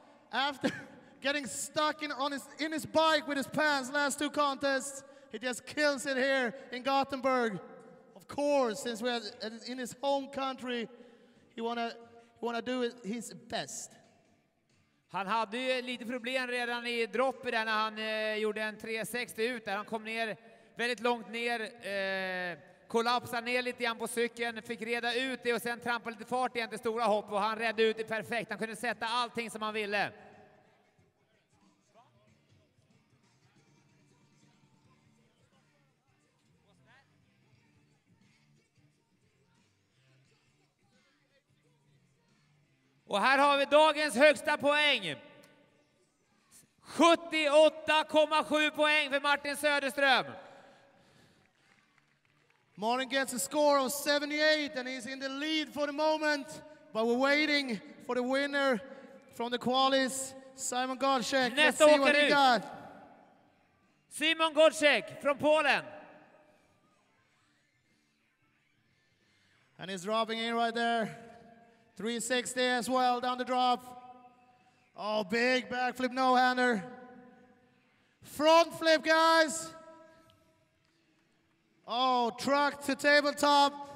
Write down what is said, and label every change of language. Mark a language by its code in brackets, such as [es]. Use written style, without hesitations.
[en] After getting stuck in his bike with his pants last two contests, he just kills it here in Gothenburg. Of course, since we are in his home country, he wanna do his best. [sv] Han hade lite problem redan i droppet där när han gjorde en 360 ut där. Han kom ner väldigt långt ner, kollapsade ner lite grann på cykeln, fick reda ut det och sen trampade lite fart igen till stora hopp och han redde ut det perfekt. Han kunde sätta allting som han ville. Och här har vi dagens högsta poäng. 78,7 poäng för Martin Söderström. [en] Martin gets a score of 78 and he's in the lead for the moment. But we're waiting for the winner from the qualis, Simon Gottschalk. Let's see what he got. [sv] Simon Gottschalk från Polen. [en] And he's dropping in right there. 360 as well, down the drop. Oh, big backflip, no-hander. Front flip, guys. Oh, truck to tabletop.